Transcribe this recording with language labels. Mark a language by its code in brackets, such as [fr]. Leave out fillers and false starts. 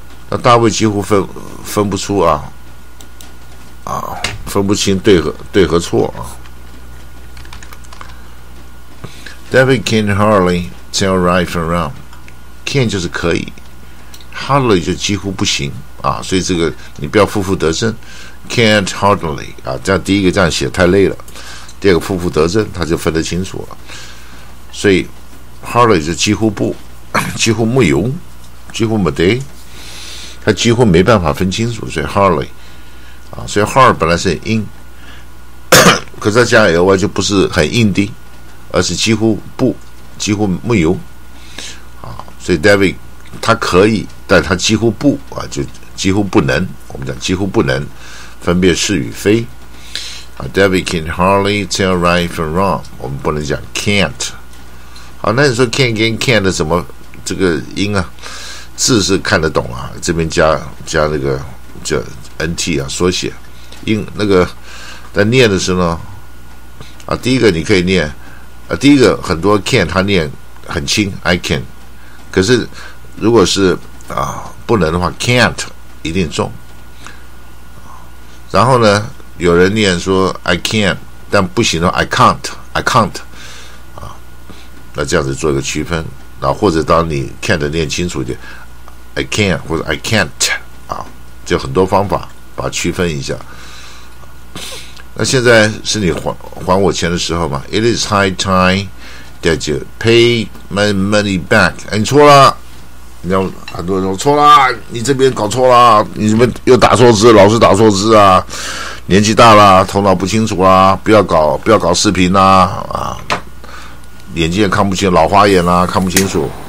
[zh] 那大卫几乎分不出啊分不清对和错啊。 [en] David can hardly tell right from wrong. [zh] Can 就是可以， hardly 就几乎不行啊，所以这个你不要负负得正。 Can't hardly 啊，这样第一个这样写太累了，第二个负负得正他就分得清楚了，所以 hardly 就几乎不，几乎没有，几乎没得，他几乎没办法分清楚，所以 hardly啊，所以 hard 本来是很硬，可是加 ly 就不是很硬的，而是几乎不，几乎没有啊。所以 David 他可以，但他几乎不啊，就几乎不能。我们讲几乎不能分辨是与非啊。 [en] David can hardly tell right from wrong。 [zh] 我们不能讲 can't。好，那你说 can 跟 can't 怎么这个音啊？字是看得懂啊，这边加那个叫NT 啊，缩写，英那个，在念的时候呢，啊，第一个你可以念，啊，第一个很多 can 他念很轻 ，I can， 可是如果是啊不能的话 ，can't 一定重。然后呢，有人念说 I can， 但不行的话 I can't， 啊，那这样子做一个区分，然后或者当你 can't 念清楚一点 ，I can 或者 I can't。就很多方法把它区分一下。那现在是你 还我钱的时候嘛 ？ It is high time that you pay my money back。哎，你错了，你要很多人说错了，你这边搞错了，你这边又打错字，老是打错字啊！年纪大了，头脑不清楚啦，不要搞视频啦，啊，眼睛也看不清，老花眼啦，看不清楚。